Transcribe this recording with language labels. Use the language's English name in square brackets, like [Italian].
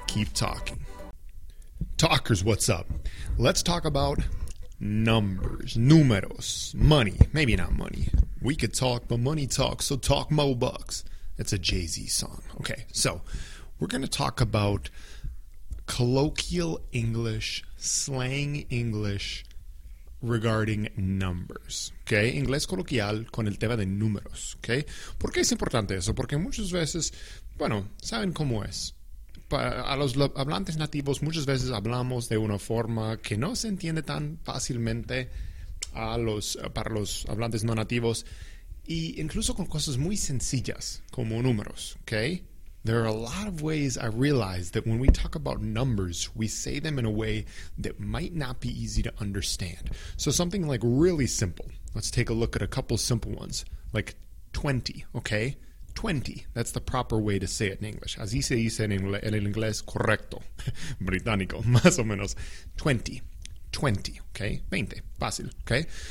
[English] Keep talking. Talkers, what's up? Let's talk about numbers, números, money. Maybe not money. We could talk, but money talks, so talk mo bucks. It's a Jay-Z song. Okay, so we're going to talk about colloquial English, slang English regarding numbers. [Spanish] Okay, inglés coloquial con el tema de números. Okay, ¿por qué es importante eso? Porque muchas veces, bueno, saben cómo es. A los hablantes nativos muchas veces hablamos de una forma que no se entiende tan fácilmente para los hablantes no nativos, y incluso con cosas muy sencillas como números, okay? [English] There are a lot of ways I realize that when we talk about numbers, we say them in a way that might not be easy to understand. So something like really simple. Let's take a look at a couple simple ones, like 20, okay? 20, that's the proper way to say it in English. [Spanish] Así se dice en inglés correcto, británico, más o menos. [English] 20, okay? 20, fácil, okay?